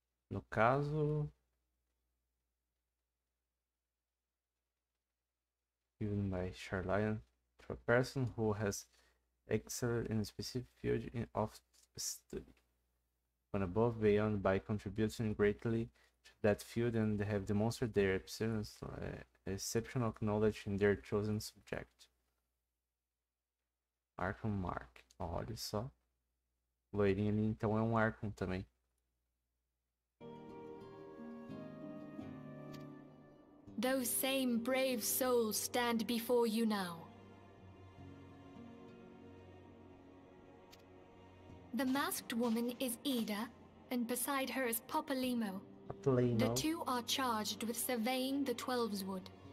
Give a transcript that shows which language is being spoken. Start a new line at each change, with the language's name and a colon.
Portuguese: No caso,
English: given by Charlian to a person who has excelled in a specific field of study, when above, beyond, by contributing greatly to that field and they have demonstrated their exceptional knowledge in their chosen subject.
Portuguese: Archon Mark, olha só, loirinho ali então é um Archon também.
English: Those same brave souls stand before you now. The masked woman is Ida, and beside her is Popolimo. The two are charged with surveying the Twelve's Wood.